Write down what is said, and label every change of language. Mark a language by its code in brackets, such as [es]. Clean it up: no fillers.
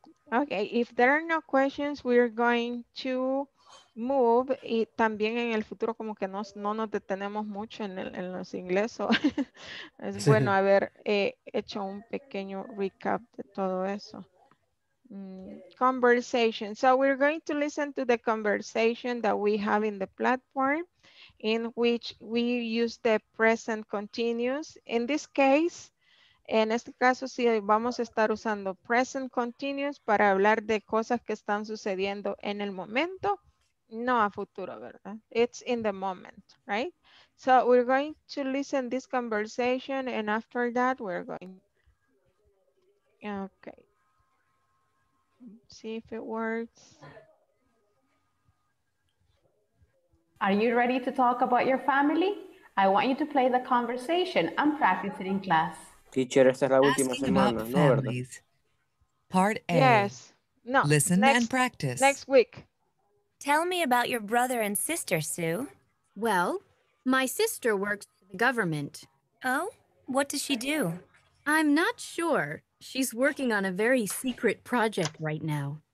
[en] Okay, if there are no questions, we're going to move, [es] y también en el futuro como que no nos detenemos mucho en los ingleses. Es bueno haber hecho un pequeño recap de todo eso. [en] Conversation. So we're going to listen to the conversation that we have in the platform, in which we use the present continuous. In this case, [es] en este caso sí vamos a estar usando present continuous para hablar de cosas que están sucediendo en el momento, no a futuro, ¿verdad? [en] It's in the moment, right? So we're going to listen to this conversation, and after that we're going... Okay. See if it works. Are you ready to talk about your family? I want you to play the conversation and practice it in class. [es] Teacher, esta es la última semana, ¿no, verdad? [en] Part A. Yes. No. Listen and practice. Next week. Tell me about your brother and sister, Sue. Well, my sister works for the government. Oh? What does she do? I'm not sure. She's working on a very secret project right now.